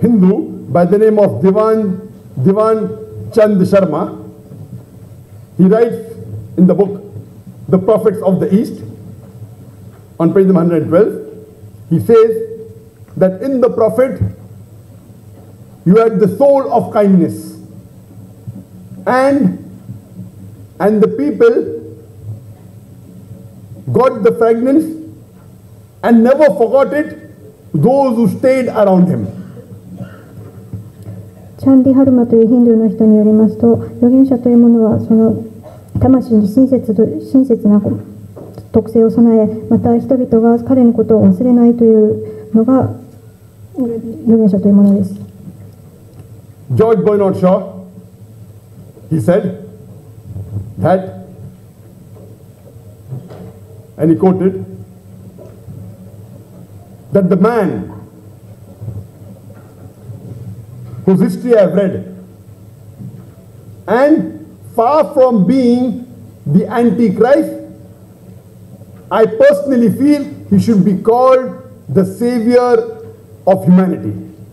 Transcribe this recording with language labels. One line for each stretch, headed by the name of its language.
English: Hindu by the name of Divan Chand Sharma, he writes in the book The Prophets of the East on page 112, he says that in the Prophet you had the soul of kindness and the people got the fragrance and never forgot it, those who stayed around him.
Japanese: チャンディハルマというヒンドゥーの人によりますと、預言者というものはその 魂に親切な特性を備え、また人々が彼のことを忘れないというのが預言者というものです。
English: George Bernard Shaw, he said that, and he quoted, that the man whose history I have read, and far from being the Antichrist, I personally feel he should be called the savior of humanity.